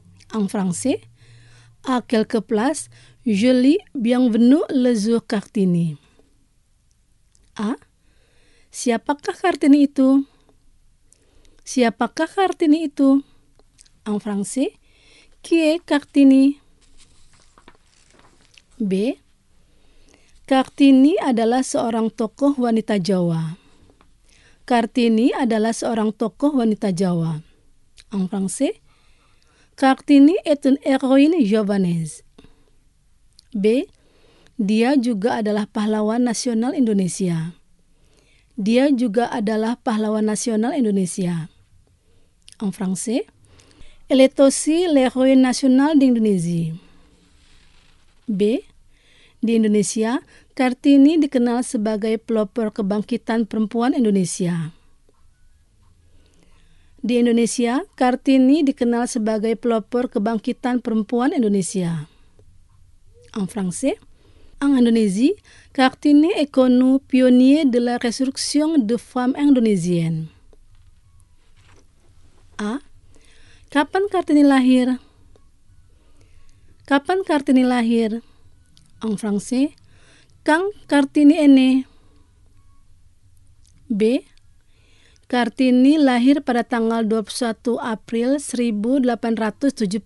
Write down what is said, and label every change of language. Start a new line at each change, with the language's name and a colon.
French: En français, à quelques places, je lis bienvenue le jour Kartini. A.
Indonesian: Siapakah Kartini itu? Siapakah Kartini itu?
French: En français, qui est Kartini? B.
Indonesian: Kartini adalah seorang tokoh wanita Jawa. Kartini adalah seorang tokoh wanita Jawa.
French: En français, Kartini est une héroïne javanaise. B.
Indonesian: Dia juga adalah pahlawan nasional Indonesia. Dia juga adalah pahlawan nasional Indonesia.
French: En français, elle est aussi l'héroïne nationale d'Indonésie. B.
Indonesian: Di Indonesia, Kartini dikenal sebagai pelopor kebangkitan perempuan Indonesia. Di Indonesia, Kartini dikenal sebagai pelopor kebangkitan perempuan Indonesia.
French: En français, en Indonésie, Kartini est connu pionnier de la résurrection de femmes indonésiennes.
Indonesian: A. Kapan Kartini lahir? Kapan Kartini lahir?
French: En français, quand Kartini est né? B.
Indonesian: Kartini lahir pada tanggal 21 April 1879.